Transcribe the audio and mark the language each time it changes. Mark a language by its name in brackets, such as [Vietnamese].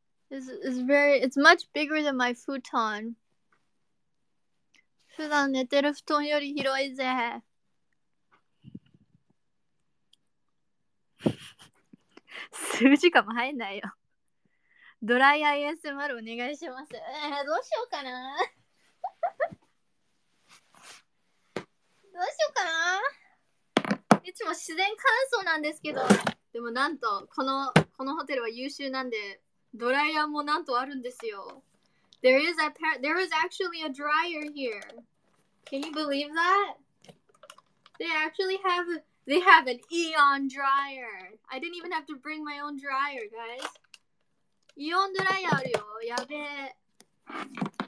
[English] It's much bigger than my futon. [Japanese] 普段寝てる布団より広いぜ。数時間も入んないよ。ドライ ASMR お願いします。どうしようかな。どうしようかな。いつも自然乾燥なんですけど、でもなんとこのホテルは優秀なんで。ドライヤーもなんとあるんですよ。 [English] There is actually a dryer here. Can you believe that? They have an Eon dryer. I didn't even have to bring my own dryer, guys. [Japanese] Eon ドライヤーあるよ。やべえ。